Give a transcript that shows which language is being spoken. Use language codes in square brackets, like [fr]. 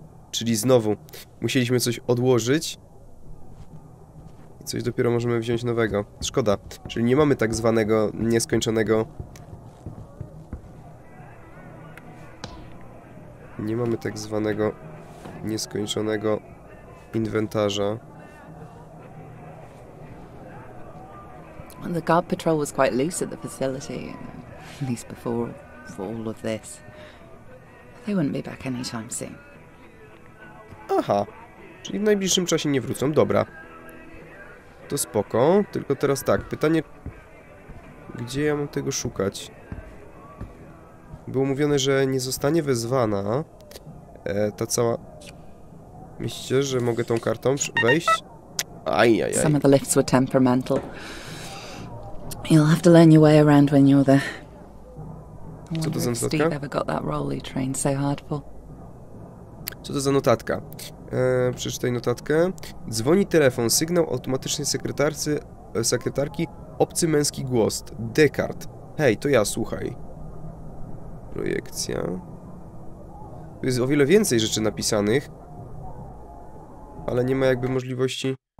[pl] Czyli znowu musieliśmy coś odłożyć. I coś dopiero możemy wziąć nowego. Szkoda. Czyli nie mamy tak zwanego nieskończonego... Nie mamy tak zwanego nieskończonego inwentarza. [en] The guard patrol was quite loose at the facility, at least before all of this. They wouldn't be back anytime soon. [pl] Aha, czyli w najbliższym czasie nie wrócą, dobra. To spoko, tylko teraz tak, pytanie... Gdzie ja mam tego szukać? Było mówione, że nie zostanie wezwana ta cała... Myślicie, że mogę tą kartą wejść? Ajajaj. [en] Some of the lifts were temperamental. You'll have to learn your way around when you're there. [pl] Co to za notatka? [en] Steve ever got that role he trained so hard for. [pl] Co to za notatka? Przeczytaj notatkę. Dzwoni telefon, sygnał automatycznej sekretarki, obcy męski głos. Descartes. Hej, to ja, słuchaj. Projekcja. Tu jest o wiele więcej rzeczy napisanych. Ale nie ma jakby możliwości...